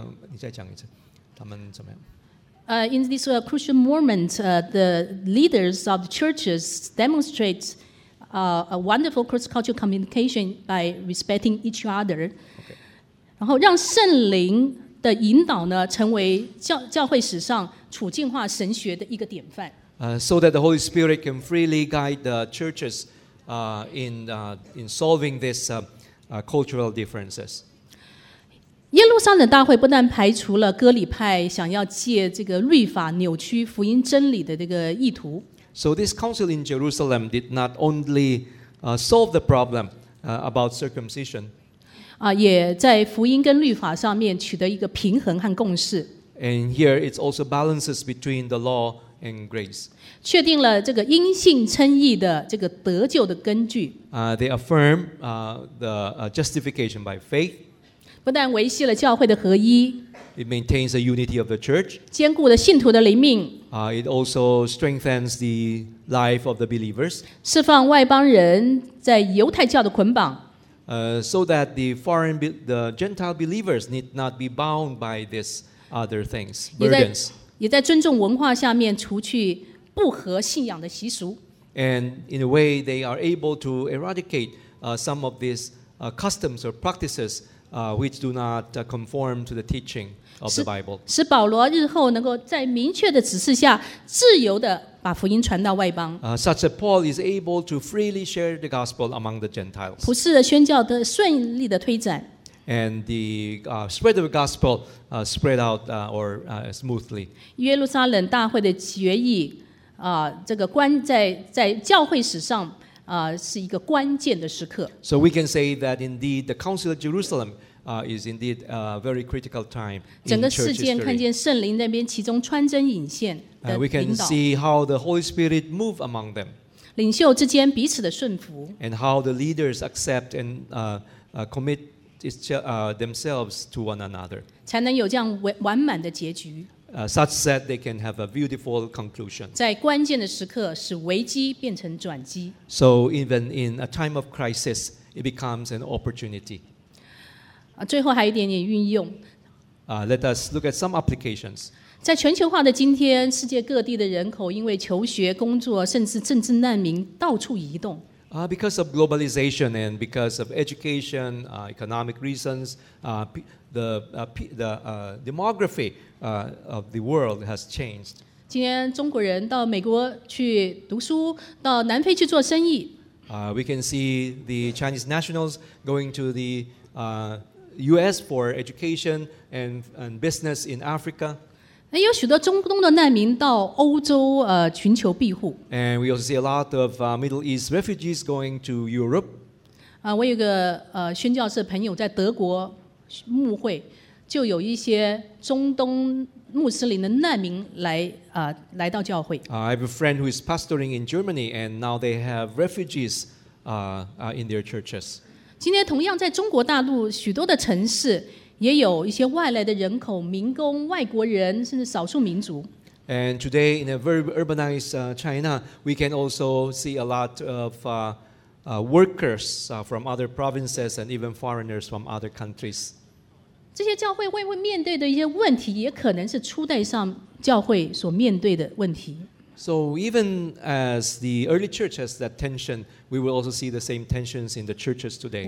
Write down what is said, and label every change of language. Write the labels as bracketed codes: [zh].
[zh] 你再讲一次，他们怎么样？ [en] In this crucial moment, the leaders of the churches demonstrate a wonderful cross-cultural communication by respecting each other. Okay. [zh] 然后让圣灵的引导呢，成为教会史上处境化神学的一个典范。 [en] So that the Holy Spirit can freely guide the churches, in solving this. Cultural differences. [zh] 耶路撒冷大会不但排除了哥里派想要借这个律法扭曲福音真理的这个意图。 [en] So this council in Jerusalem did not only solve the problem about circumcision. [zh] 也在福音跟律法上面取得一个平衡和共识。 [en] And here it also balances between the law and grace. [zh] 确定了这个因信称义的这个得救的根据。 [en] They affirm justification by faith. [zh] 不但维系了教会的合一。 [en] It maintains the unity of the church. [zh] 坚固了信徒的灵命。 [en] It also strengthens the life of the believers. [zh] 释放外邦人在犹太教的捆绑。 [en] So that the Gentile believers need not be bound by these other things, burdens. [zh] 也在尊重文化下面除去不合信仰的习俗。 [en] And in a way, they are able to eradicate some of these customs or practices which do not conform to the teaching of the Bible. [zh] 使保罗日后能够在明确的指示下自由地把福音传到外邦。 [en] Such that Paul is able to freely share the gospel among the Gentiles. [zh] 普世的宣教的顺利的推展。 [en] And the spread of the gospel spread out smoothly. [zh] 耶路撒冷大会的决议这个关在教会史上是一个关键的时刻。 [en] So we can say that indeed the Council of Jerusalem is indeed a very critical time in church history. [zh] 整个事件看见圣灵那边其中穿针引线的引导。 [en] We can see how the Holy Spirit moved among them. [zh] 领袖之间彼此的顺服。 [en] And how the leaders accept and commit. Themselves to one another. [zh] 才能有这样完满的结局。 [en] Such that they can have a beautiful conclusion. [zh] 在关键的时刻，使危机变成转机。 [en] So even in a time of crisis, it becomes an opportunity. [zh] 最后还有一点点运用。 [en] Let us look at some applications. [zh] 在全球化的今天，世界各地的人口因为求学、工作，甚至政治难民到处移动。 [en] Because of globalization and because of education, economic reasons, demography of the world has changed. [zh] 今天中国人到美国去读书，到南非去做生意。 [en] We can see the Chinese nationals going to the U.S. for education and business in Africa. [zh] 有许多中东的难民到欧洲寻求庇护。 [en] And we also see a lot of Middle East refugees going to Europe. [zh] 我有个宣教士朋友在德国牧会，就有一些中东穆斯林的难民来到教会。 [en] I have a friend who is pastoring in Germany, and now they have refugees in their churches. [zh] 今天同样在中国大陆许多的城市也有一些外来的人口，民工、外国人，甚至少数民族。 [en] And today in a very urbanized China, we can also see a lot of workers from other provinces and even foreigners from other countries. [zh] 这些教会会面对的一些问题，也可能是初代上教会所面对的问题。 [en] So even as the early church has that tension, we will also see the same tensions in the churches today.